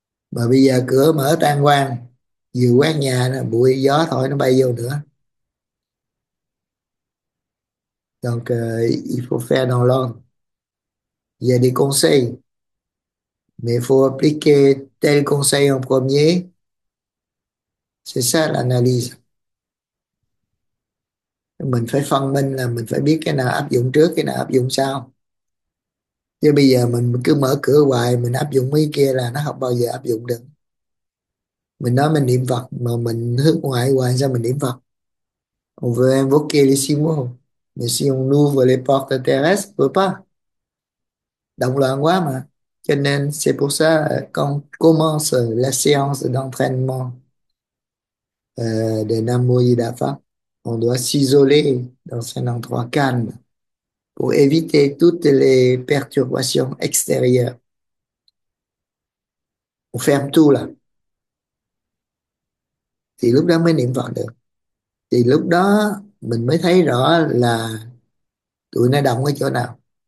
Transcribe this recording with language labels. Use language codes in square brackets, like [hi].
[vi] Mà bây giờ cửa mở tang quang, vừa quét nhà là bụi gió thổi nó bay vô nữa. [fr] Donc, il faut faire dans l'ordre. Il y a des conseils. Mais il faut appliquer tel conseil en premier. C'est ça l'analyse. [vi] Mình phải phân minh là mình phải biết cái nào áp dụng trước, cái nào áp dụng sau. Chứ bây giờ mình cứ mở cửa hoài, mình áp dụng mấy kia là nó không bao giờ áp dụng được. Mình nói mình niệm Phật mà mình hướng ngoại hoài, sao mình niệm Phật? [fr] On veut invoquer les six mots. Mais si on ouvre les portes terrestres, on ne peut pas. [vi] Động loạn quá mà. Cho nên, [fr] c'est pour ça qu'on commence la séance d'entraînement de Nam Mô Di Đà Phật. On doit s'isoler dans un endroit calme pour éviter toutes les perturbations extérieures. On ferme tout là. [vi] Thì lúc đó mới niệm Phật được. Thì lúc đó mình mới thấy rõ là tụi nó động ở chỗ nào.